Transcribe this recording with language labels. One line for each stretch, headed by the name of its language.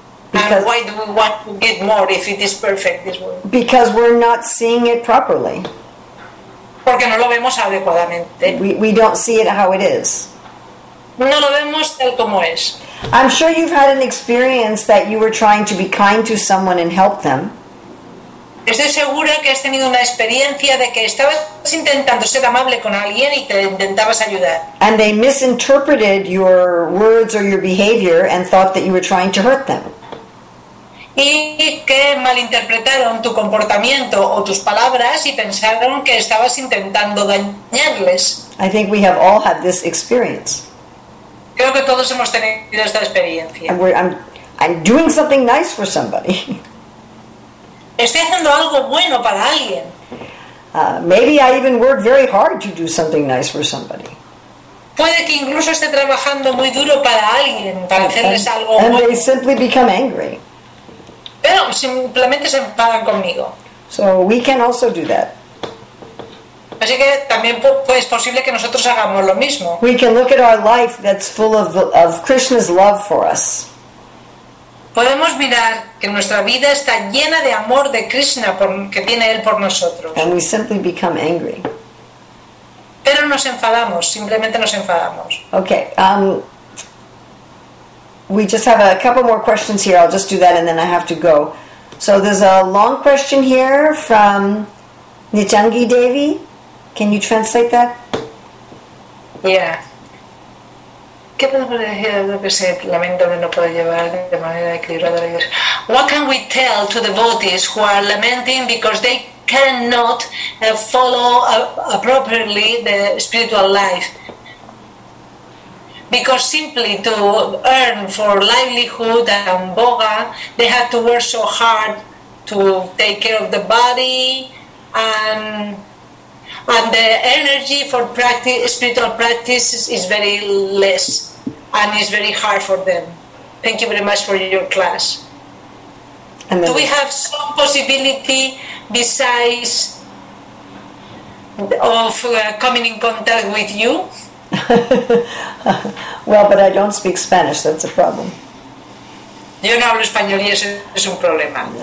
English: Because, and why do we want to get more if it is perfect, this world? Because we're not seeing it properly.
Spanish: Porque no lo vemos adecuadamente.
English: We don't see it how it is.
Spanish: No lo vemos tal como es.
English: I'm sure you've had an experience that you were trying to be kind to someone and help them.
Spanish: Estoy segura que has tenido una experiencia de que estabas intentando ser amable con alguien y te intentabas ayudar.
English: And they misinterpreted your words or your behavior and thought that you were trying to hurt them.
Spanish: Y que malinterpretaron tu comportamiento o tus palabras y pensaron que estabas intentando dañarles.
English: I think we have all had this experience.
Spanish: Creo que todos hemos tenido esta experiencia.
English: I'm doing something nice for somebody.
Spanish: Estoy haciendo algo bueno para alguien.
English: Maybe I even work very hard to do something nice for somebody.
Spanish: Puede que incluso esté trabajando muy duro para alguien, para hacerles algo
English: and
Spanish: bueno.
English: And they simply become angry.
Spanish: Pero simplemente se enfadan conmigo.
English: So we can also do that.
Spanish: Así que también es posible que nosotros hagamos lo mismo.
English: We can look at our life that's full of Krishna's love for us.
Spanish: Podemos mirar que nuestra vida está llena de amor de Krishna que tiene él por nosotros.
English: And we simply become angry.
Spanish: Pero nos enfadamos, simplemente nos enfadamos.
English: Okay. We just have a couple more questions here. I'll just do that and then I have to go. So there's a long question here from Nityangi Devi. Can you translate that? Yeah.
Spanish: ¿Qué podemos decir a los que se lamentan de no poder llevar de manera equilibrada la iglesia?
English: What can we tell to devotees who are lamenting because they cannot follow appropriately the spiritual life? Because simply to earn for livelihood and bhoga, they have to work so hard to take care of the body and the energy for practice, spiritual practice is very less and is very hard for them. Thank you very much for your class. And then, do we have some possibility besides of coming in contact with you? Well, but I don't speak Spanish, that's a problem.
Spanish: Yo no hablo español y eso es un problema.